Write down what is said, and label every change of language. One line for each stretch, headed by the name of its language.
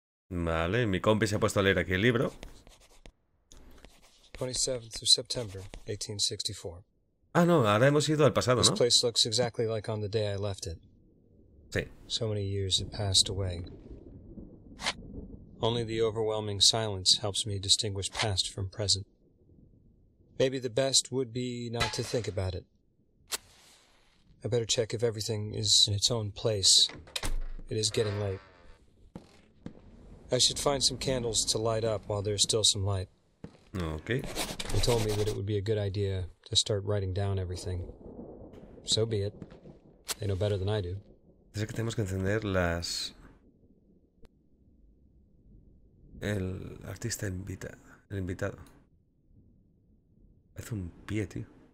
Spanish: Vale, mi compi se ha puesto a leer aquí el libro.
English: 27th of September, 1864.
Spanish: Ah, no, ahora hemos ido al pasado,
English: This
Spanish: ¿no?
English: place looks exactly like on the day I left it.
Spanish: Sí.
English: So many years have passed away. Only the overwhelming silence helps me distinguish past from present. Maybe the best would be not to think about it. I better check if everything is in its own place. It is getting late. I should find some candles to light up while there's still some light. Okay. They told me that it would be a good idea to start writing down everything. So be it. They know better than I do.
Spanish: Dice que tenemos que encender las. El artista invita. El invitado. Parece un pie, tío.